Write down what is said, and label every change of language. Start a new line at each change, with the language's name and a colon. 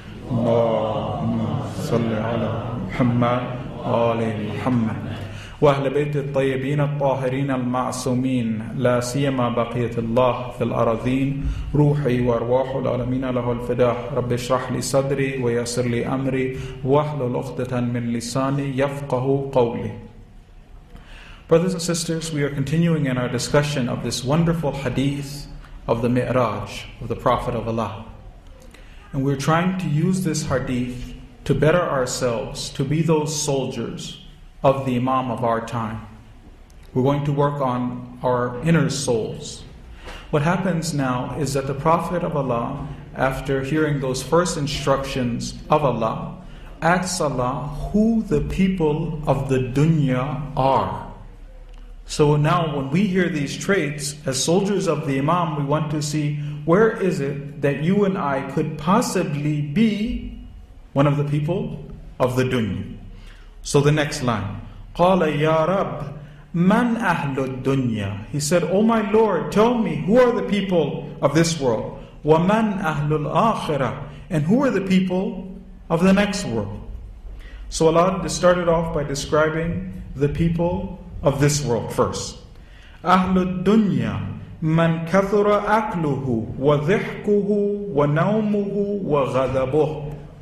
Arabic: اللهم صل على محمد وآل محمد وأهل بيت الطيبين الطاهرين المعصومين، لا سيما بقية الله في الأراضين، روحي وأرواح العالمين له الفداء. رب اشرح لي صدري ويسر لي أمري واحلل عقدة من لساني يفقه قولي.
English: Brothers and sisters, we are continuing in our discussion of this wonderful hadith of the Mi'raj of the Prophet of Allah. And we're trying to use this hadith to better ourselves, to be those soldiers of the Imam of our time. We're going to work on our inner souls. What happens now is that the Prophet of Allah, after hearing those first instructions of Allah, asks Allah who the people of the dunya are. So now when we hear these traits, as soldiers of the Imam, we want to see where is it that you and I could possibly be one of the people of the dunya. So the next line,
Arabic: قَالَ يَا رَبْ مَنْ أَهْلُ الدُّنْيَا.
English: He said, O my Lord, tell me, who are the people of this world?
Arabic: وَمَنْ أَهْلُ الْآخِرَةِ.
English: And who are the people of the next world? So Allah started off by describing the people of this world first.
Arabic: أَهْلُ الدُّنْيَا مَنْ كَثُرَ أَكْلُهُ وَذِحْكُهُ وَنَوْمُهُ وَغَذَبُهُ.